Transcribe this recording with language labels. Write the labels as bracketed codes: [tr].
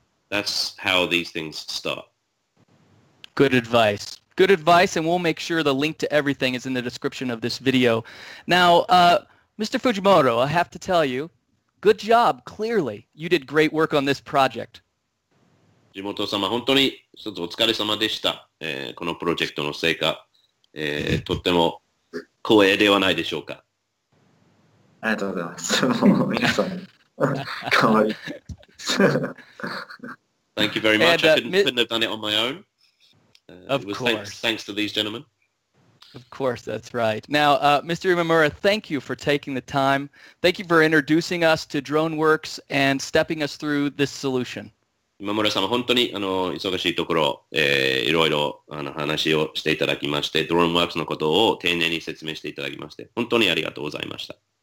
[en] That's how these things start. Good advice. Good advice, and we'll make sure the link to everything is in the description of this video. Now, Mr. Fujimoto, I have to tell you, good job. Clearly, you did great work on this project. [ja] Fujimoto-sama, 本当にちょっとお疲れ様でした。このプロジェクトの成果、とっても光栄ではないでしょうか。ありがとうございます。皆さん、かわいい。 [en] Thank you very much. I couldn't have done it on my own. Of course, thanks to these gentlemen. Of course, that's right. Now, Mr. Imamura, thank you for taking the time. Thank you for introducing us to DroneWorks and stepping us through this solution. [ja] Imamura-sama, 本当に忙しいところ、いろいろ話をしていただきまして、DroneWorks のことを丁寧に説明していただきまして、本当にありがとうございました。